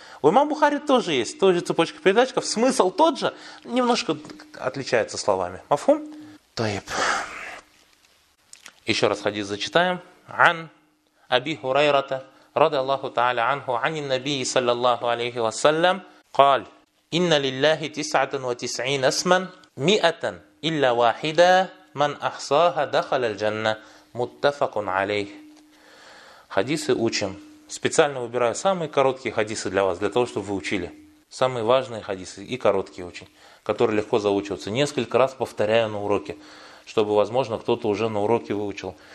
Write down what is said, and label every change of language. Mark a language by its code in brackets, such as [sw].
[ru] У имам Бухари тоже есть, тоже цепочка передатчиков. Смысл тот же, немножко отличается словами. [ar] Мафхум? Тайб. [ru] Еще раз хадис зачитаем. [ar] Ан Аби Хурайрата, ради Аллаху Та'аля Анху, ани Набии, саллиллаху алейхи вассалям. قال إن لله 99 اسما مئة إلا واحدة من أحصاها دخل الجنة متفق عليه. [ru] Хадисы учим. Специально выбираю самые короткие хадисы для вас, для того, чтобы вы учили. Самые важные хадисы и короткие очень, которые легко заучиваются. Несколько раз повторяю на уроке, чтобы, возможно, кто-то уже на уроке выучил.